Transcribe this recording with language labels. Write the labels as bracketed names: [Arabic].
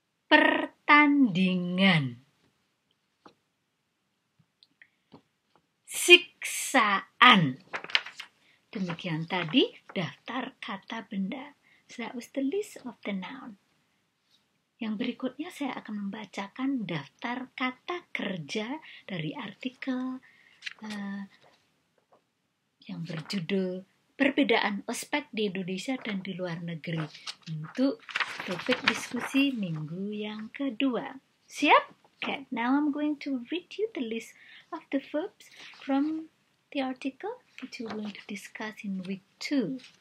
[Indonesian] pertandingan, siksaan. Demikian tadi daftar kata benda. [English] So that was the list of the noun. [Indonesian] Yang berikutnya saya akan membacakan daftar kata kerja dari artikel yang berjudul Perbedaan Ospek di Indonesia dan di luar negeri untuk topik diskusi minggu yang kedua. Siap? [English] Okay, now I'm going to read you the list of the verbs from the article which we're going to discuss in week 2.